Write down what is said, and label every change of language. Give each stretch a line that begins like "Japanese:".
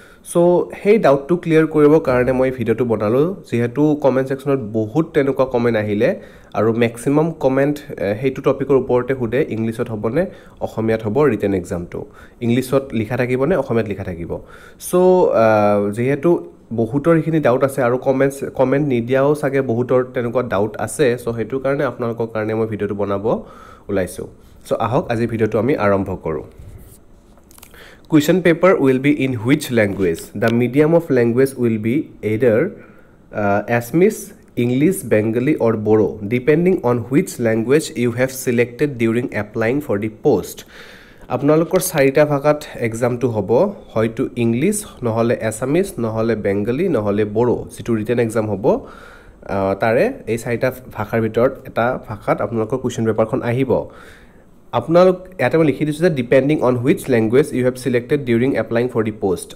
Assamese: ছ' সেই ডাউটটো ক্লিয়াৰ কৰিবৰ কাৰণে মই ভিডিঅ'টো বনালোঁ, যিহেতু কমেণ্ট ছেকশ্যনত বহুত তেনেকুৱা কমেণ্ট আহিলে, আৰু মেক্সিমাম কমেণ্ট সেইটো টপিকৰ ওপৰতে সোধে ইংলিছত হ'বনে অসমীয়াত হ'ব ৰিটেন এক্সামটো, ইংলিছত লিখা থাকিবনে অসমীয়াত লিখা থাকিব। ছ' যিহেতু বহুতৰ সেইখিনি ডাউট আছে আৰু কমেণ্ট নিদিয়াও চাগে বহুতৰ তেনেকুৱা ডাউট আছে, ছ' সেইটো কাৰণে আপোনালোকৰ কাৰণে মই ভিডিঅ'টো বনাব ওলাইছোঁ। ছ' আহক আজি ভিডিঅ'টো আমি আৰম্ভ কৰোঁ।
English: Question paper will be in which language? The medium of language will be either Assamese, English, Bengali or Boro, depending on which language you have selected during applying for the post.
Assamese: আপোনালোকৰ চাৰিটা ভাষাত এক্সামটো হ'ব, হয়তো English, নহ'লে Assamese, নহ'লে বেংগলী, নহ'লে বড়ো, যিটো written exam হ'ব, তাৰে এই চাৰিটা ভাষাৰ ভিতৰত এটা ভাষাত আপোনালোকৰ কুৱেশ্যন পেপাৰখন আহিব। আপোনালোক ইয়াতে মই লিখি দিছোঁ যে
English: Depending on which language you have selected during applying for the post.